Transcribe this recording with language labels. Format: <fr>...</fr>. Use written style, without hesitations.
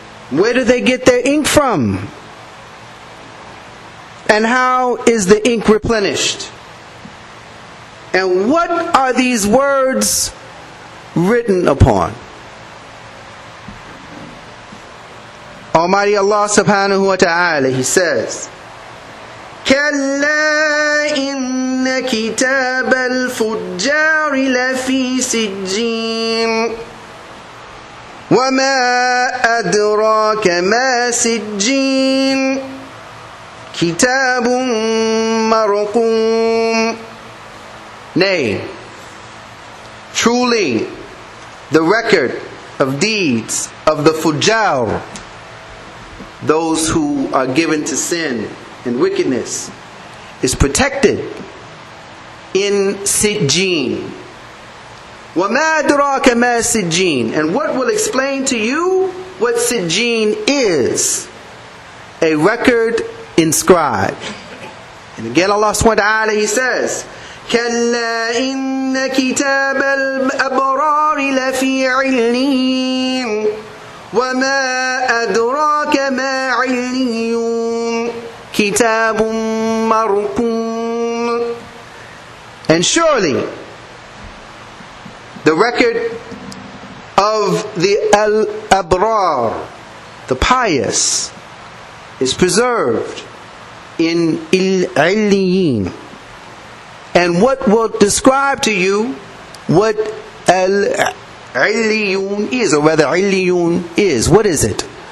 <en>Where do they get their ink from? And how is the ink replenished? And what are these words written upon? Almighty Allah subhanahu wa ta'ala, He says,</en> <ar>كلا إن كتاب الفجار لفي سجين وما أدراك ما سجين كتاب مرقوم.</ar> <en>Nay, truly the record of deeds of the fujar, those who are given to sin and wickedness, is protected in Sijjin.</en> <ar>وَمَا أَدْرَاكَ مَا Sijjin.</ar> <en>And what will explain to you what Sijjin is? A record inscribed. And again Allah subhanahu wa ta'ala, He says,</en> <ar>كَلَّا إِنَّ كِتَابَ الْأَبْرَارِ لَفِي عليم وما أدراك ما عليم كتاب مرقوم.</ar> <en>And surely the record of the Al-Abrar, the pious, is preserved in Al-Iliyin. And what will describe to you what Al-Iliyun is, or whether Iliyun is, what is it?</en>